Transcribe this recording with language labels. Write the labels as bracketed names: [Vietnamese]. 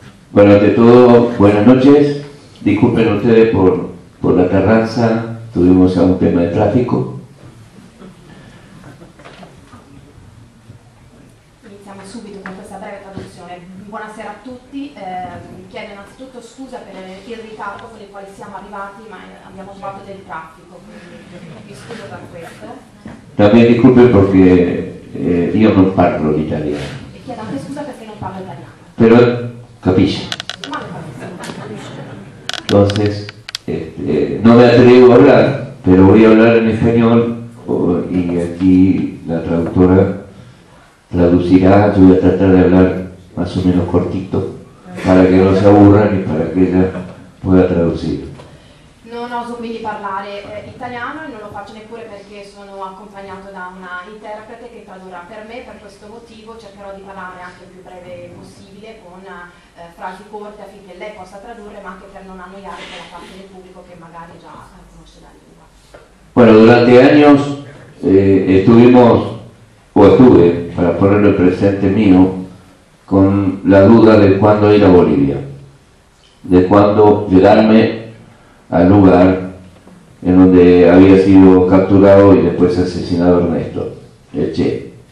[Spanish] Bueno, de todo, buenas noches. Disculpen ustedes por la tardanza, tuvimos un tema de tráfico. [Italian] Iniziamo subito con questa breve traduzione. Buonasera a tutti, chiedo innanzitutto scusa per il ritardo con il quale siamo arrivati, ma abbiamo trovato del traffico, quindi mi scuso per questo. [Spanish] También disculpen porque [Italian] io non parlo l'italiano. E chiedo anche scusa perché non parlo italiano. Però capisce. [Spanish] Entonces, no me atrevo a hablar, pero voy a hablar en español y aquí la traductora traducirá. Yo voy a tratar de hablar más o menos cortito, para que no se aburran y para que ella pueda traducir. [Italian] Non oso quindi parlare italiano e non lo faccio neppure perché sono accompagnato da una interprete che tradurrà per me. Per questo motivo cercherò di parlare anche il più breve possibile con frasi corte affinché lei possa tradurre, ma anche per non annoiare quella parte del pubblico che magari già conosce la lingua. [Spanish] Bueno, durante años estuvimos, o estuve, para ponerlo en presente mío, con la duda de cuándo ir a Bolivia, de cuándo llegarme al lugar en donde había sido capturado y después asesinado Ernesto, el Che.